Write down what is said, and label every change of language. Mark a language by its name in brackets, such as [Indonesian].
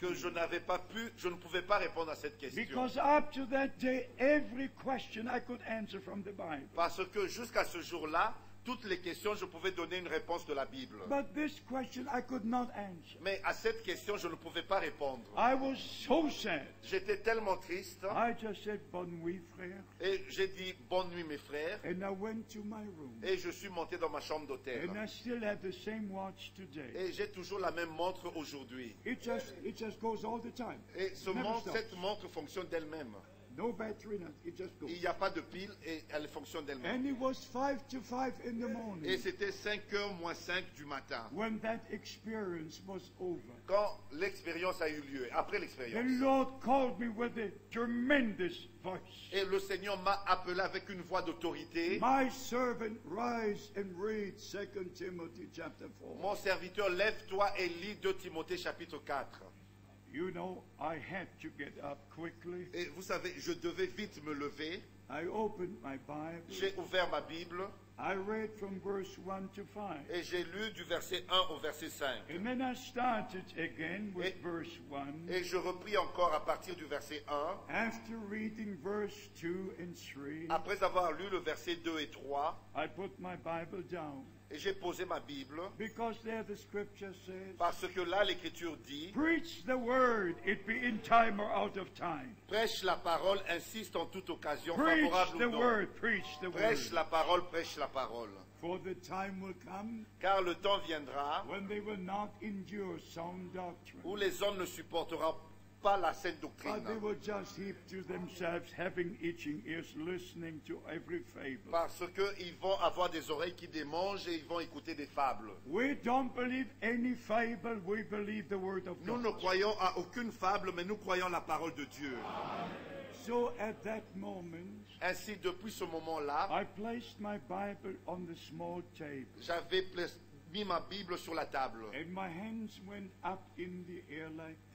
[French] Que je n'avais pas pu, je ne pouvais pas répondre à cette question. [English] Because up to that day, every question I could answer from the Bible. [French] Parce que jusqu'à ce jour-là, toutes les questions, je pouvais donner une réponse de la Bible. [English] But this question, I could not answer. [French] Mais à cette question, je ne pouvais pas répondre. [English] I was so sad. [French] J'étais tellement triste. [English] I just said, [French] bonne nuit, frère. Et j'ai dit, bonne nuit, mes frères. [English] And I went to my room. [French] Et je suis monté dans ma chambre d'hôtel. [English] And I still have the same watch today. [French] Et j'ai toujours la même montre aujourd'hui. [English] It just goes all the time. [French] Et cette montre fonctionne d'elle-même. [English] No battery, it just goes. [French] Il n'y a pas de pile et elle fonctionne d'elle-même. [English] And it was 5 to 5 in the morning. [French] Et c'était 5h moins 5 du matin. [English] When that experience was over. [French] Quand l'expérience a eu lieu, après l'expérience. [English] The Lord called me with a tremendous voice. [French] Et le Seigneur m'a appelé avec une voix d'autorité. [English] My servant, rise and read 2 Timothy chapter 4. [French] Mon serviteur, lève-toi et lis 2 Timothée chapitre 4. [English] You know, I had to get up quickly. [French] Et vous savez, je devais vite me lever. [English] I opened my Bible. [French] J'ai ouvert ma Bible. [English] I read from verse 1 to 5. [French] Et j'ai lu du verset 1 au verset 5. [English] And then I started again with verse 1. [French] Et je repris encore à partir du verset 1. [English] After reading verse 2 and 3. [French] Après avoir lu le verset 2 et 3. [English] I put my Bible down. [French] Et j'ai posé ma Bible. [English] Because there the scripture says, [French] parce que là, l'Écriture dit, [English] preach the word, it be in time or out of time. [French] Prêche la parole, insiste en toute occasion, [English] preach [French] favorable [English] the [French] ou non. [English] Word, preach the [French] prêche [English] word. [French] La parole, prêche la parole. [English] For the time will come, [French] car le temps viendra [English] when they will not endure sound doctrine. [French] Où les hommes ne supporteront pas. Pas la sainte doctrine. [English] But they will just heap to themselves having itching ears listening to every fable. [French] Parce que ils vont avoir des oreilles qui démangent et ils vont écouter des fables. [English] We don't believe any fable, we believe the word of God. [French] Nous ne croyons à aucune fable, mais nous croyons la parole de Dieu. [English] Amen. So at that moment, [French] ainsi depuis ce moment-là, [English] I placed my Bible on the small table. [French] J'avais mis ma Bible sur la table. [English] And my hands went up in the air like.